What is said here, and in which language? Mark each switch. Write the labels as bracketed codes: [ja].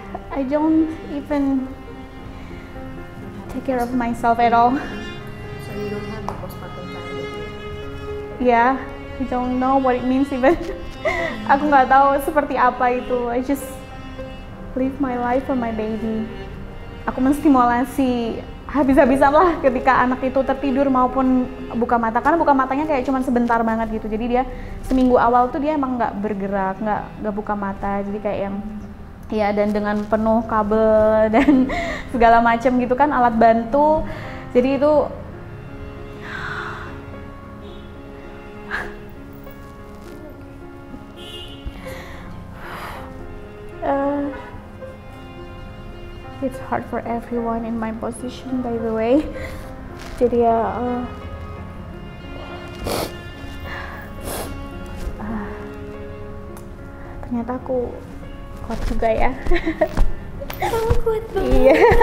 [en] I don't even take care of myself at all. Yeah, I don't know what it means even. [id] Aku nggak tahu seperti apa itu. [en] I just live my life for my baby. [id] Aku menstimulasi habis-habisan lah ketika anak itu tertidur maupun buka mata. Karena buka matanya kayak cuma sebentar banget gitu. Jadi dia seminggu awal tuh dia emang nggak bergerak, nggak buka mata. Jadi kayak yang ya, dan dengan penuh kabel dan segala macam gitu kan, alat bantu. Jadi itu [en] it's hard for everyone in my position by the way. [id] Jadi ya ternyata aku kuat juga ya. Kamu kuat banget. Iya.